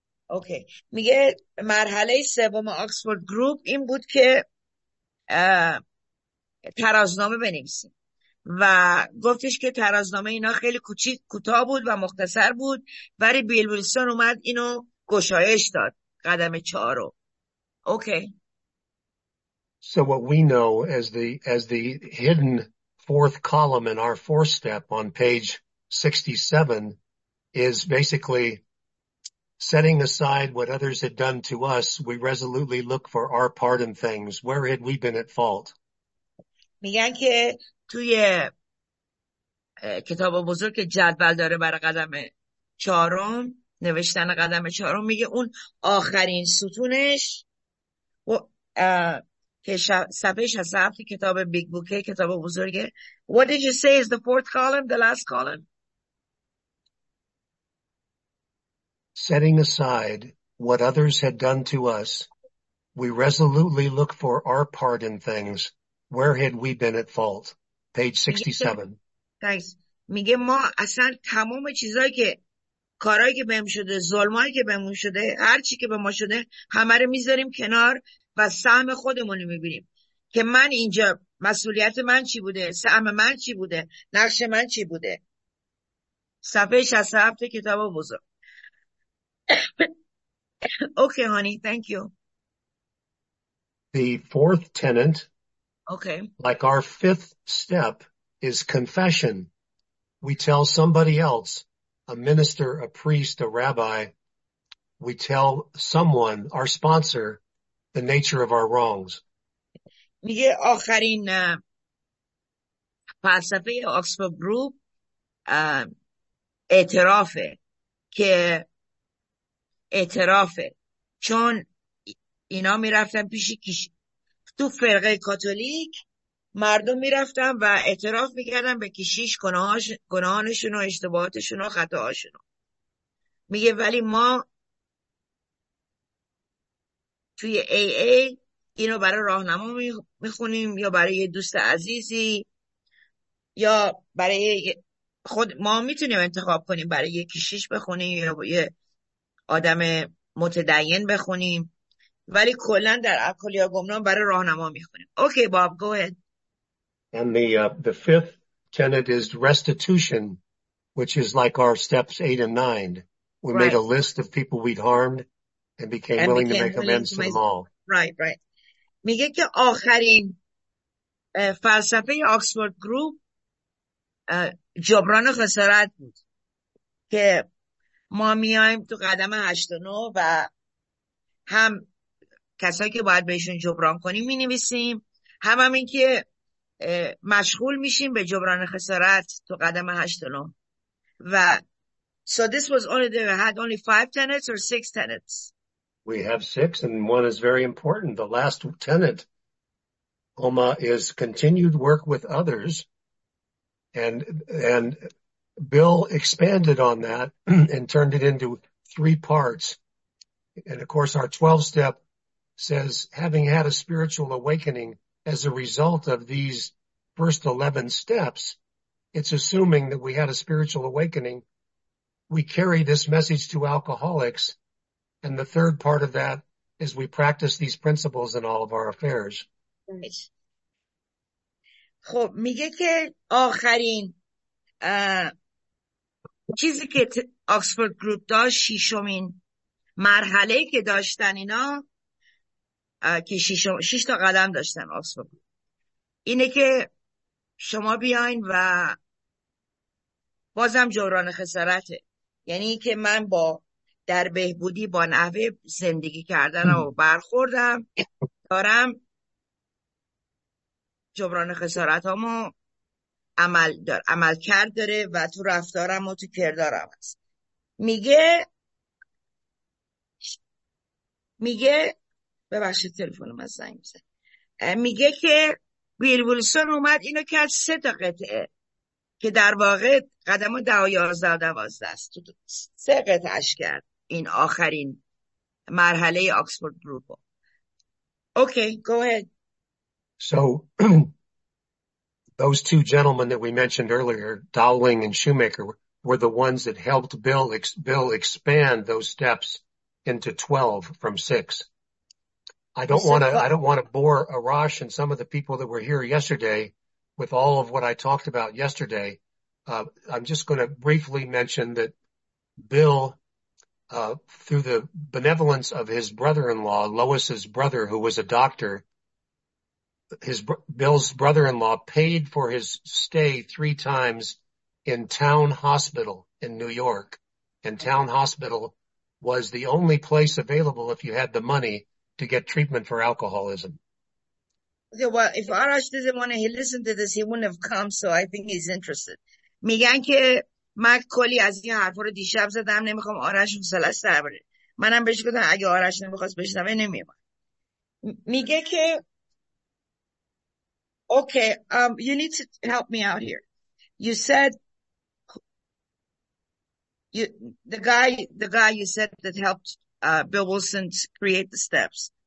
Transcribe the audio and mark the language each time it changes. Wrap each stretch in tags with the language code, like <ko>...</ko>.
<fa>اوکی، میگه مرحله سوم آکسفورد گروپ این بود که ترازنامه بنویسیم و گفتش که ترازنامه اینا خیلی کوچیک، کوتاه بود و مختصر بود، ولی بیل ویلسون اومد اینو گشایش داد، قدم چهارو.</fa> <en>Okay, so what we know as the hidden fourth column in our fourth step on page 67 is basically setting aside what others had done to us, we resolutely look for our part in things. Where had we been at fault?</en> <fa>میگن که توی کتاب بزرگ جدول داره برای قدم چهارم، نوشتن قدم چهارم، میگه اون آخرین ستونش و که صفحه 67 کتاب بیگ بوکه، کتاب بزرگه.</fa> <en>What did you say is the fourth column, the last column? Setting aside what others had done to us, we resolutely look for our part in things. Where had we been at fault? Page 67. Thanks.</en> <fa>میگه ما اصلا تمام چیزایی که کارایی که بهم شده، ظلمایی که بهم شده، هر چی که به ما شده، همه رو میذاریم کنار و سهم خودمون رو میبینیم. که من اینجا مسئولیت من چی بوده؟ سهم من چی بوده؟ نقش من چی بوده؟ صفحه 67 کتاب بزرگ.</fa> <en>Okay, honey, thank you. The fourth tenet, okay, like our fifth step, is confession. We tell somebody else, a minister, a priest, a rabbi, we tell someone, our sponsor, the nature of our wrongs.</en> <fa>میگه آخرین فلسفه اکسفورد گروپ اعترافه، که اعترافه، چون اینا میرفتن پیش کیش تو فرقه کاتولیک، مردم میرفتن و اعتراف میکردن به کشیش گناهانشون و اشتباهاتشون و خطاهاشون. میگه ولی ما توی AA اینو برای راهنما میخونیم یا برای یه دوست عزیزی یا برای خود ما میتونیم انتخاب کنیم برای یه کشیش بخونیم یا یه آدم متدین بخونیم، ولی کلن در اکولیا گمنام برای راهنما میخونیم.</fa> <en>Okay Bob, go ahead. And the fifth tenet is restitution, which is like our steps 8 and 9. We right. made a list of people we'd harmed and became and willing became to make amends to them all.</en> <fa>Right. میگه که آخرین فلسفه آکسفورد گروپ جبران خسارت بود که ما میایم تو قدم 89 و هم کسایی که باید بهشون جبران کنیم می نویسیم، هم این که مشغول میشیم به جبران خسارت تو قدم 89.</fa> <en>و so this was only there had only 5 tenets or 6 tenets. We have 6 and one is very important. The last tenet, OMA, is continued work with others. And Bill expanded on that and turned it into 3 parts. And of course, our 12 step says, having had a spiritual awakening as a result of these first 11 steps, it's assuming that we had a spiritual awakening. We carry this message to alcoholics. And the third part of that is we practice these principles in all of our affairs.</en> <fa>خب میگه که آخرین چیزی که آکسفورد گروپ داشت، ششمین مرحله که داشتن اینا، که شش تا قدم داشتن آکسفورد گروپ، اینه که شما بیاین و بازم جبران خسارته، یعنی که من با در بهبودی با نحوه زندگی کردن و برخوردم دارم جبران خسارت هامو عمل کرد داره و تو رفتارم و تو کردارم هست. میگه ببخشید تلفنم از زنگ میزنه، میگه که بیل ویلسون اومد اینو کرد 3 تا قطعه که در واقع قدم 10 و 11 و 12 است، 3 قطعهش کرد این آخرین مرحله آکسفورد گروپ.</fa> <en>Okay go ahead. So those two gentlemen that we mentioned earlier, Dowling and Shoemaker, were the ones that helped Bill expand those steps into 12 from 6. I don't want to bore Arash and some of the people that were here yesterday with all of what I talked about yesterday. I'm just going to briefly mention that Bill, through the benevolence of his brother-in-law, Lois's brother, who was a doctor, Bill's brother-in-law paid for his stay 3 times in Town Hospital in New York. And Town Hospital was the only place available if you had the money to get treatment for alcoholism. Okay, well, if Arash doesn't want to listen to this, he wouldn't have come, so I think he's interested.</en> <fa>میگن که من کلی از این حرفا رو دیشب زدم، نمیخوام آرش مثلث سر بره. منم بهش گفتم اگه آرش نمیخواست بشنوه نمیومد. میگه که</fa> <en>okay, you need to help me out here. The guy you said that helped Bill Wilson create the steps.</en>